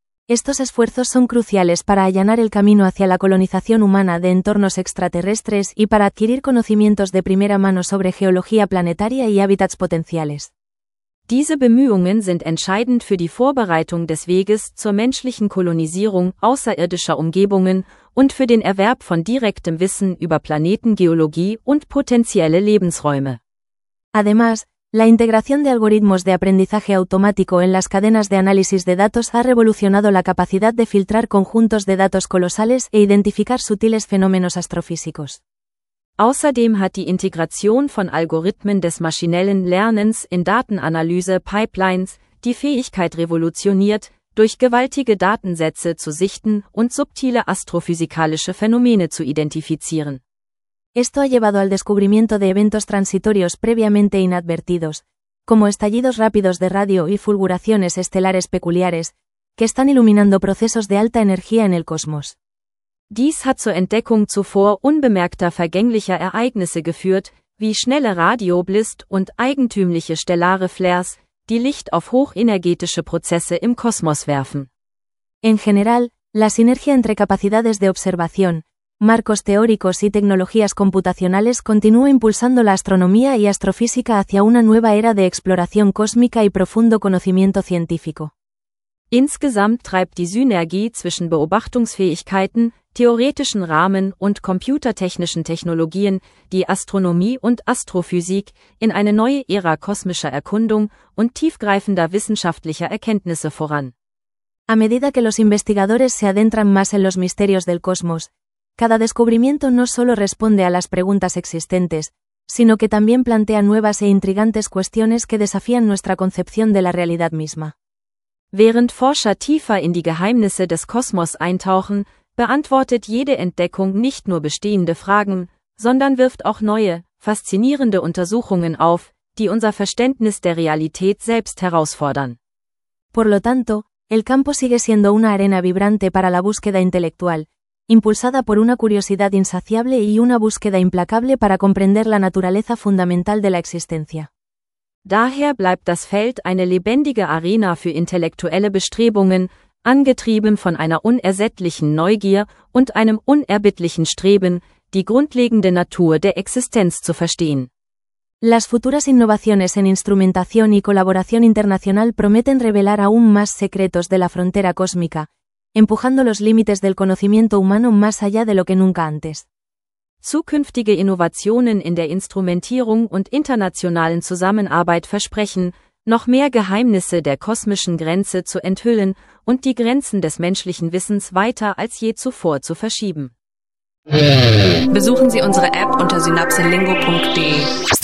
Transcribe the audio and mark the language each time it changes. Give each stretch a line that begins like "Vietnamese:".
Spanish: Estos esfuerzos son cruciales para allanar el camino hacia la colonización humana de entornos extraterrestres y para adquirir conocimientos de primera mano sobre geología planetaria y hábitats potenciales.
German: Diese Bemühungen sind entscheidend für die Vorbereitung des Weges zur menschlichen Kolonisierung außerirdischer Umgebungen und für den Erwerb von direktem Wissen über Planetengeologie und potenzielle Lebensräume.
Spanish: Además, la integración de algoritmos de aprendizaje automático en las cadenas de análisis de datos ha revolucionado la capacidad de filtrar conjuntos de datos colosales e identificar sutiles fenómenos astrofísicos.
German: Außerdem hat die Integration von Algorithmen des maschinellen Lernens in Datenanalyse-Pipelines die Fähigkeit revolutioniert, durch gewaltige Datensätze zu sichten und subtile astrophysikalische Phänomene zu identifizieren.
Spanish: Esto ha llevado al descubrimiento de eventos transitorios previamente inadvertidos, como estallidos rápidos de radio y fulguraciones estelares peculiares, que están iluminando procesos de alta energía en el cosmos.
German: Dies hat zur Entdeckung zuvor unbemerkter vergänglicher Ereignisse geführt, wie schnelle Radioblist und eigentümliche stellare Flares, die Licht auf hochenergetische Prozesse im Kosmos werfen.
Spanish: En general, la sinergia entre capacidades de observación, marcos teóricos y tecnologías computacionales continúa impulsando la astronomía y astrofísica hacia una nueva era de exploración cósmica y profundo conocimiento científico.
German: Insgesamt treibt die Synergie zwischen Beobachtungsfähigkeiten, theoretischen Rahmen und computertechnischen Technologien die Astronomie und Astrophysik in eine neue Ära kosmischer Erkundung und tiefgreifender wissenschaftlicher Erkenntnisse voran.
Spanish: A medida que los investigadores se adentran más en los misterios del cosmos, cada descubrimiento no solo responde a las preguntas existentes, sino que también plantea nuevas e intrigantes cuestiones que desafían nuestra concepción de la realidad misma.
German: Während Forscher tiefer in die Geheimnisse des Kosmos eintauchen, beantwortet jede Entdeckung nicht nur bestehende Fragen, sondern wirft auch neue, faszinierende Untersuchungen auf, die unser Verständnis der Realität selbst herausfordern.
Spanish: Por lo tanto, el campo sigue siendo una arena vibrante para la búsqueda intelectual, impulsada por una curiosidad insaciable y una búsqueda implacable para comprender la naturaleza fundamental de la existencia.
German: Daher bleibt das Feld eine lebendige Arena für intellektuelle Bestrebungen, angetrieben von einer unersättlichen Neugier und einem unerbittlichen Streben, die grundlegende Natur der Existenz zu verstehen.
Spanish: Las futuras innovaciones en instrumentación y colaboración internacional prometen revelar aún más secretos de la frontera cósmica, empujando los límites del conocimiento humano más allá de lo que nunca antes.
German: Zukünftige Innovationen in der Instrumentierung und internationalen Zusammenarbeit versprechen, noch mehr Geheimnisse der kosmischen Grenze zu enthüllen und die Grenzen des menschlichen Wissens weiter als je zuvor zu verschieben. Besuchen Sie unsere App unter synapselingo.de.